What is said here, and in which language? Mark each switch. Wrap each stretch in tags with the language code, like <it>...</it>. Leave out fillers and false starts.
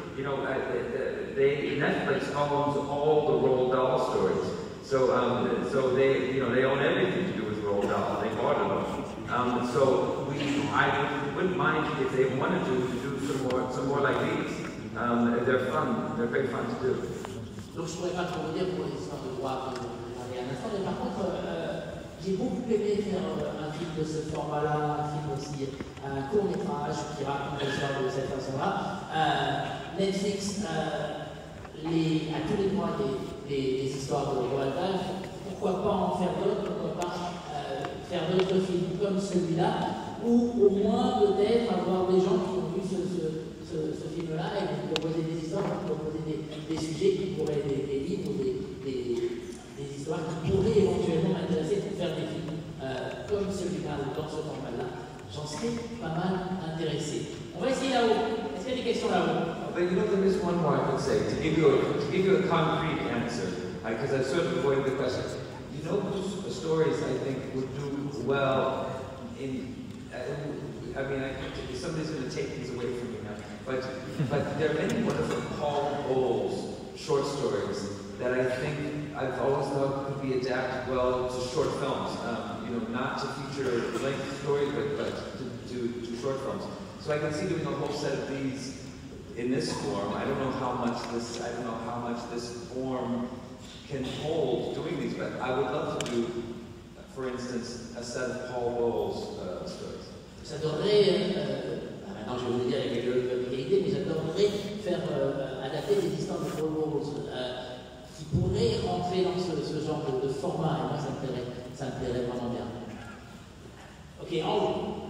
<en>You know, Netflix owns all the Roald Dahl stories. So they, you know, they own everything to do with Roald Dahl. They bought it all. I wouldn't mind if they wanted to do some more like these. They're fun. They're very fun to do.</en> <fr>Donc je ne pourrais pas trop vous dire pour les histoires de droit que vous parlez à l'instant, mais par contre, j'ai beaucoup aimé faire un film de ce format-là, un film aussi, un court-métrage qui raconte l'histoire de cette façon-là. Netflix a tous les droits des histoires de Roald Dahl. Pourquoi pas en faire d'autres, pourquoi pas faire d'autres films comme celui-là, ou au moins peut-être avoir des gens qui ont vu ce film-là et vous proposer des histoires, vous proposer des sujets qui pourraient être des livres ou des histoires qui pourraient éventuellement m'intéresser pour faire des films comme celui-là ou dans ce format-là. J'en serais pas mal intéressé. On va essayer là-haut. Est-ce qu'il y a des questions là-haut?</fr> <en>But you know, there is one more I could say to give you a concrete answer, because I've sort of avoided the question. You know whose stories I think would do well in. I mean, somebody's going to take these away from me now, but there are many wonderful Paul Bowles short stories that I think I've always thought could be adapted well to short films. You know, not to feature length stories, but to short films. So I can see doing a whole set of these in this form. I don't know how much this form can hold doing these, but I would love to do, for instance, a set of Paul Bowles stories.</en> <fr>J'adorerais, maintenant je vais vous le dire avec quelques idées, mais j'adorerais faire adapter des histoires de robots qui pourraient rentrer dans ce genre de format, et moi ça me plairait vraiment bien. Ok, en haut.</fr>